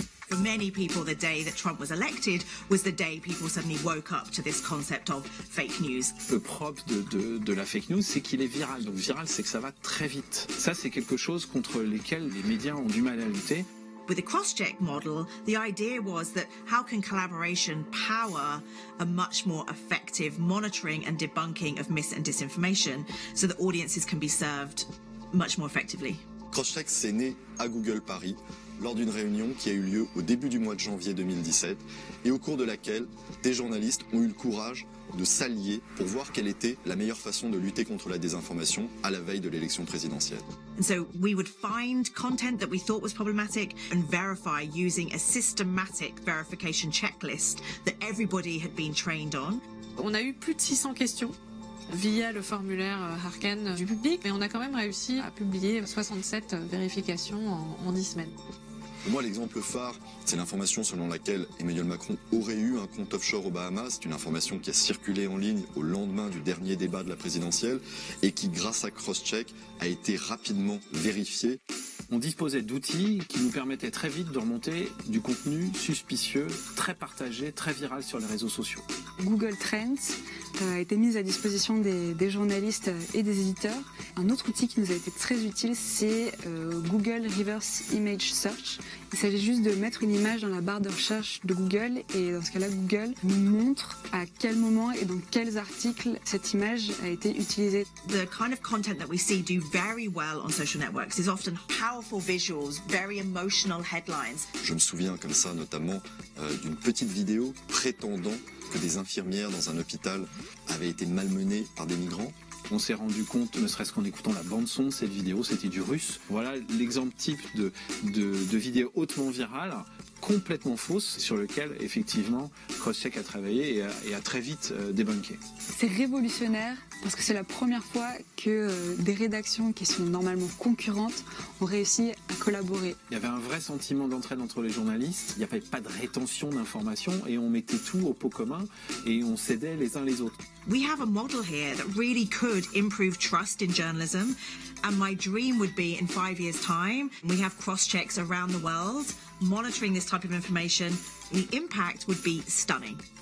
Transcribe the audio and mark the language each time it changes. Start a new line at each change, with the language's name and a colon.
English: Many people, the day that Trump was elected was the day people suddenly woke up to this concept of fake news.
French: Le propre de la fake news, c'est qu'il est viral. Donc viral, c'est que ça va très vite. Ça, c'est quelque chose contre lequel les médias ont du mal à lutter.
English: With the cross-check model, the idea was that how can collaboration power a much more effective monitoring and debunking of mis and disinformation so that audiences can be served much more effectively.
French: Cross-check, c'est né à Google Paris, lors d'une réunion qui a eu lieu au début du mois de janvier 2017 et au cours de laquelle des journalistes ont eu le courage de s'allier pour voir quelle était la meilleure façon de lutter contre la désinformation à la veille de l'élection présidentielle.
English: And so we would find content that we thought was problematic and verify using a systematic verification checklist that everybody had been trained on.
French: On a eu plus de 600 questions via le formulaire Harken du public, mais on a quand même réussi à publier 67 vérifications en 10 semaines. Pour moi, l'exemple phare, c'est l'information selon laquelle Emmanuel Macron aurait eu un compte offshore aux Bahamas. C'est une information qui a circulé en ligne au lendemain du dernier débat de la présidentielle et qui, grâce à CrossCheck, a été rapidement vérifiée. On disposait d'outils qui nous permettaient très vite de remonter du contenu suspicieux, très partagé, très viral sur les réseaux sociaux. Google Trends a été mis à disposition des journalistes et des éditeurs. Un autre outil qui nous a été très utile, c'est Google Reverse Image Search. Il s'agit juste de mettre une image dans la barre de recherche de Google et dans ce cas-là, Google nous montre à quel moment et dans quels articles cette image a été utilisée.
English: The kind of content that we see do very well on social networks is often powerful visuals, very emotional headlines.
French: Je me souviens comme ça notamment d'une petite vidéo prétendant que des infirmières dans un hôpital avaient été malmenées par des migrants. On s'est rendu compte, ne serait-ce qu'en écoutant la bande-son de cette vidéo, c'était du russe. Voilà l'exemple type de vidéo hautement virale, complètement fausse, sur lequel effectivement CrossCheck a travaillé et a très vite débunké. C'est révolutionnaire parce que c'est la première fois que des rédactions qui sont normalement concurrentes ont réussi à collaborer. Il y avait un vrai sentiment d'entraide entre les journalistes, il n'y avait pas de rétention d'informations et on mettait tout au pot commun et on s'aidait les uns les autres.
English: We have a model here that really could improve trust in journalism. And my dream would be in 5 years' time, we have cross-checks around the world monitoring this type of information. The impact would be stunning.